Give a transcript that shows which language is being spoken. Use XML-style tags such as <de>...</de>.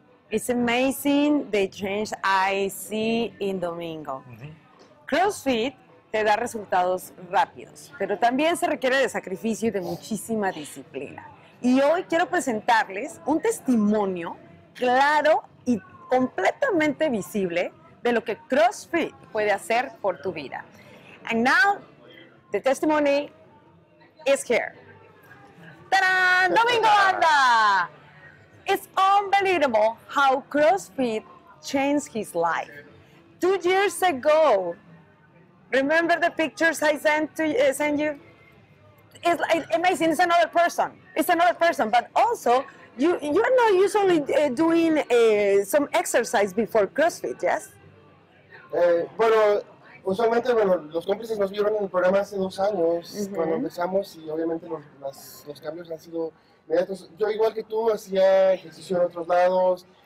<en>It's amazing the change I see in Domingo.</en> <es>CrossFit te da resultados rápidos, pero también se requiere de sacrificio y de muchísima disciplina. Y hoy quiero presentarles un testimonio claro y completamente visible de lo que CrossFit puede hacer por tu vida.</es> <en>And now, the testimony is here. ¡Tarán! ¡Domingo anda! It's unbelievable how CrossFit changed his life. 2 years ago, remember the pictures I sent to send you? It's amazing, it's another person. It's another person, but also, you are not usually doing some exercise before CrossFit, yes?</en> <es>Bueno, usualmente, bueno, los cómplices nos vieron en el programa hace 2 años, mm-hmm, cuando empezamos, y obviamente los cambios han sido inmediatos. Yo, igual que tú, hacía ejercicio en otros lados.</es>